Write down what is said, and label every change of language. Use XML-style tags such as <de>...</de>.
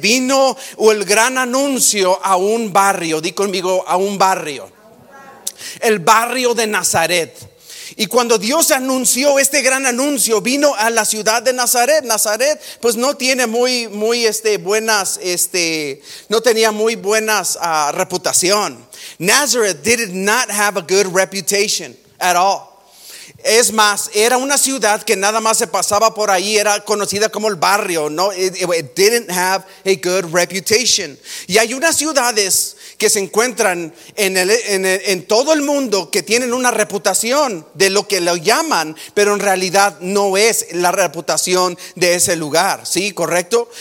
<es>Vino o el gran anuncio a un barrio, di conmigo, a un barrio. El barrio de Nazaret. Y cuando Dios anunció este gran anuncio, vino a la ciudad de Nazaret. Nazaret pues no tiene muy buenas no tenía muy buenas reputación.</es> <en>Nazareth did not have a good reputation at all.</en> <es>Es más, era una ciudad que nada más se pasaba por ahí, era conocida como el barrio, ¿no?</es> <en>It didn't have a good reputation.</en> <es>Y hay unas ciudades que se encuentran en todo el mundo que tienen una reputación de lo que lo llaman, pero en realidad no es la reputación de ese lugar, ¿sí? ¿Correcto?</es>